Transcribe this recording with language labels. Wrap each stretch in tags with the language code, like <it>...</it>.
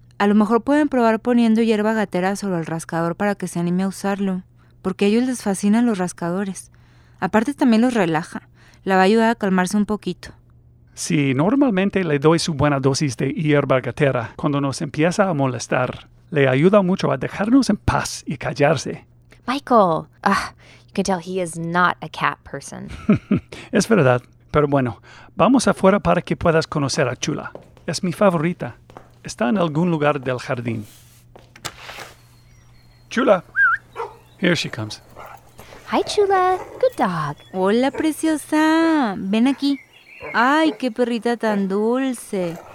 <es>A lo mejor pueden probar poniendo hierba gatera sobre el rascador para que se anime a usarlo, porque a ellos les fascinan los rascadores. Aparte también los relaja. La va a ayudar a calmarse un poquito. Sí, normalmente le doy su buena dosis de hierba gatera cuando nos empieza a molestar. Le ayuda mucho a dejarnos en paz y callarse.</es> <en>Michael, you can tell he is not a cat person.</en> <es>Es verdad, pero bueno, vamos afuera para que puedas conocer a Chula. Es mi favorita. Está en algún lugar del jardín.</es> <en>Chula, here she comes. Hi, Chula. Good dog.</en> <es>Hola, preciosa. Ven aquí. Ay, qué perrita tan dulce.</es>